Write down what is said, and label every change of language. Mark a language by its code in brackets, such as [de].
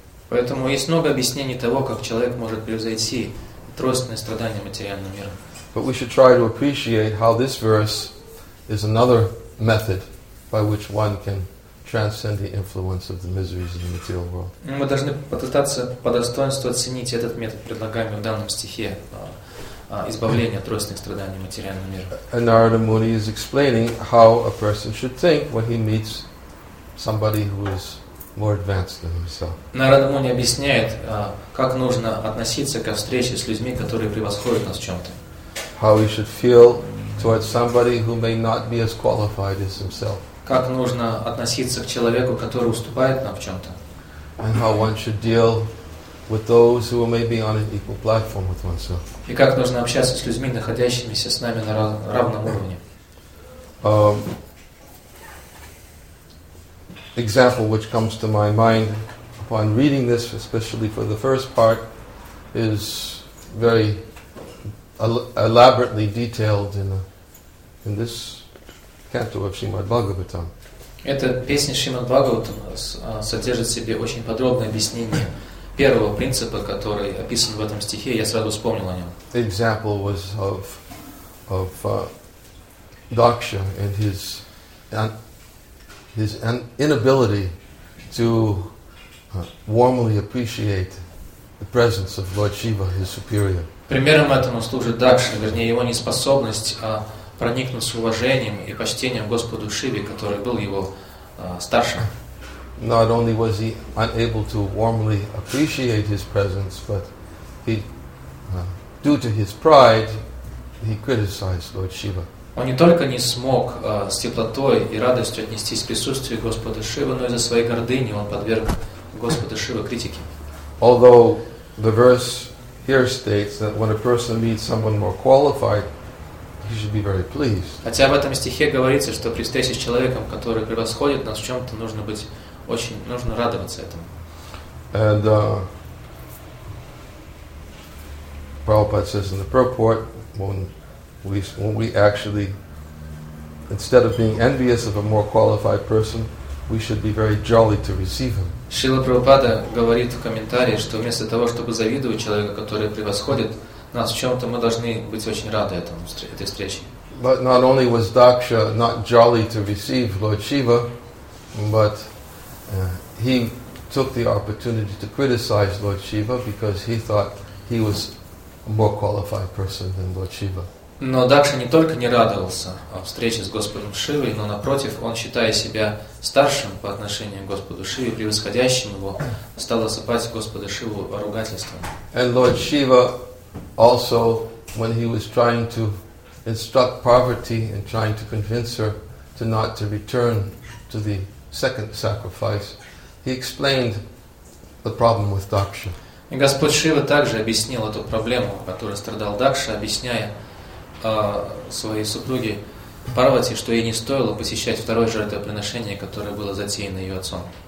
[ru] Поэтому есть много объяснений того, как человек может превзойти тройственные страдания материального мира. [en] But we should try to appreciate how this verse is another method by which one can transcend the influence of the miseries of the material world. [ru] Мы должны попытаться по достоинству оценить этот метод, предлагаемый в данном стихе, избавления от тройственных страданий материального мира. [en] And Narada Muni is explaining how a person should think when he meets somebody who is more advanced than himself. [ru] Narada Muni объясняет, как нужно относиться ко встрече с людьми, которые превосходят нас в чем-то. [en] How he should feel towards somebody who may not be as qualified as himself. [ru] Как нужно относиться к человеку, который уступает нам в чем-то. [en] And how one should deal with those who may be on an equal platform with oneself. [ru] И как нужно общаться с людьми, находящимися с нами на равном уровне. [en] Example which comes to my mind upon reading this, especially for the first part, is very elaborately detailed in this canto of Srimad Bhagavatam. [ru] Эта песня Шримад Бхагаватам содержит в себе очень подробное объяснение первого принципа, который описан в этом стихе. Я сразу вспомнил о нем. [en] Example was of Daksha and his inability to warmly appreciate the presence of Lord Shiva, his superior. [ru] Примером этому служит Дакша, вернее, его неспособность проникнуть с уважением и почтением Господу Шиве, который был его старшим. [en] Not only was he unable to warmly appreciate his presence, but he, due to his pride, he criticized Lord Shiva. [ru] Он не только не смог с теплотой и радостью отнестись к присутствию Господа Шивы, но из-за своей гордыни он подверг Господа Шивы критике. [en] Although the verse here states that when a person meets someone more qualified, he should be very pleased. [ru] Хотя в этом стихе говорится, что при встрече с человеком, который превосходит нас в чем-то, нужно быть очень, нужно радоваться этому. [en] And Prabhupada says in the purport, when we actually, instead of being envious of a more qualified person, we should be very jolly to receive him. [ru] Шрила Прабхупада говорит в комментарии, что вместо того, чтобы завидовать человеку, который превосходит нас в чем-то, мы должны быть очень рады этому, этой встрече. [en] But not only was Daksha not jolly to receive Lord Shiva, but he took the opportunity to criticize Lord Shiva because he thought he was a more qualified person than Lord Shiva. [ru] Но Дакша не только не радовался встрече с Господом Шивой, но напротив, он, считая себя старшим по отношению к Господу Шиве, превосходящим его, стал осыпать Господа Шиву ругательством. [en] And Lord Shiva also, when he was trying to instruct Parvati and trying to convince her to not to return to the second sacrifice, he explained the problem with Daksha. [ru] И Господь Шива также объяснил эту проблему, которую страдал Дакша, объясняя своей супруге Парвати, что ей не стоило посещать второе жертвоприношение, которое было затеяно ее отцом.